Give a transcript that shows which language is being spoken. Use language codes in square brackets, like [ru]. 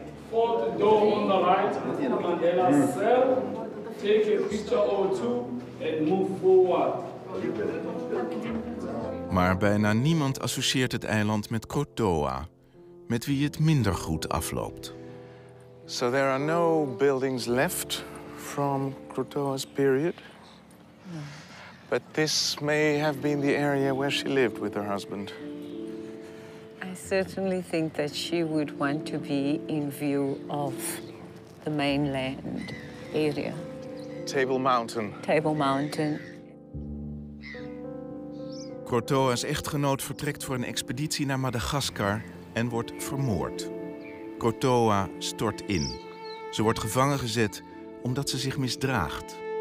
[nl] Voor de door onderuit, Mandela zelf, [en] take a picture or two and move forward. [nl] Maar bijna niemand associeert het eiland met Kortoa, met wie het minder goed afloopt. [en] So there are no buildings left from Kortoa's period. But this may have been the area where she lived with her husband. I certainly think that she would want to be in view of the mainland area. Table Mountain. Table Mountain. [nl] Kortoa's echtgenoot vertrekt voor een expeditie naar Madagaskar en wordt vermoord. Kortoa stort in. Ze wordt gevangen gezet omdat ze zich misdraagt.